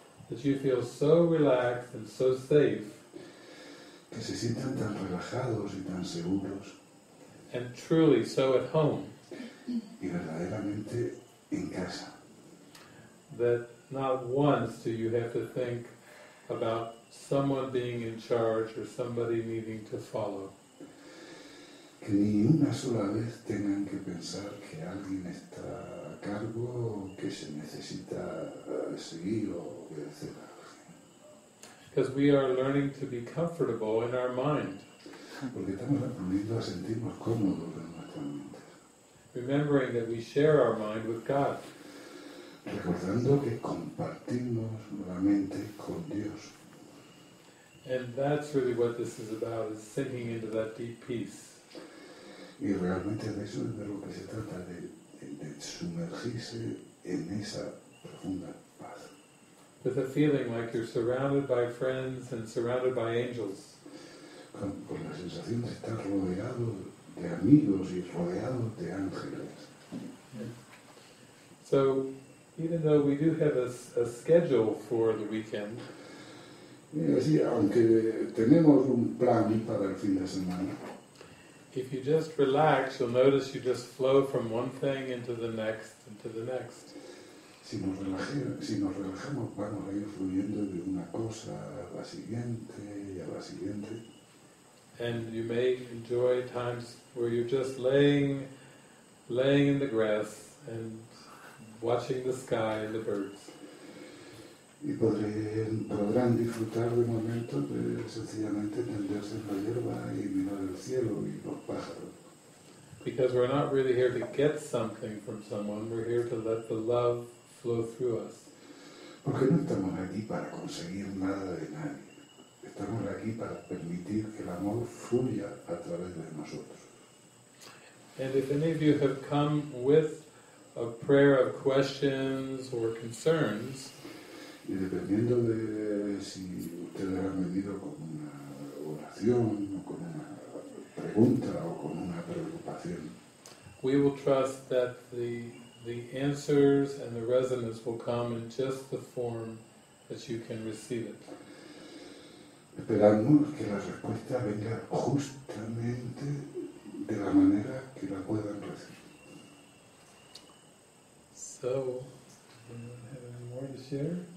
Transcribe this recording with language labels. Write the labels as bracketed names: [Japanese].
[English] That you feel so relaxed and so safe. [Spanish] Que se sientan tan relajados y tan seguros. [English] And truly so at home. [Spanish] Y verdaderamente en casa. [English] That not once do you have to think about someone being in charge or somebody needing to follow. [Spanish] Que ni una sola vez tengan que pensar que alguien está a cargo o que se necesita seguir o obedecer a alguien. [English] Because we are learning to be comfortable in our mind. [Spanish] Porque estamos aprendiendo a sentirnos cómodos en nuestra mente. [English] Remembering that we share our mind with God. [Spanish] Recordando que compartimos la mente con Dios. [English] And that's really what this is about, is sinking into that deep peace. [Spanish] Y realmente de eso es de lo que se trata, de sumergirse en esa profunda paz. [English] With a feeling like you're surrounded by friends and surrounded by angels. [Spanish] Con la sensación de estar rodeado de amigos y rodeado de ángeles. [English] So, even though we do have a schedule for the weekend. [Spanish] Sí, aunque tenemos un plan para el fin de semana. [English] If you just relax, you'll notice you just flow from one thing into the next. [Spanish] Si nos relajamos, vamos a ir fluyendo de una cosa a la siguiente y a la siguiente. [English] And you may enjoy times where you're just laying in the grass and watching the sky and the birds. [Spanish] Y podrán disfrutar de momentos de sencillamente tenderse en la hierba y mirar el cielo y los pájaros. [English] Because we're not really here to get something from someone, we're here to let the love flow through us. [Spanish] Porque no estamos aquí para conseguir nada de nadie. Estamos aquí para permitir que el amor fluya a través de nosotros. [English] And if any of you have come with a prayer of questions or concerns, [Spanish] y dependiendo de si ustedes han venido con una oración o con una pregunta o con una preocupación, [English] we will trust that the answers and the resonance will come in just the form that you can receive it. [Spanish] Esperamos que la respuesta venga justamente de la manera que la puedan recibir. [English] So, do you have any more to share?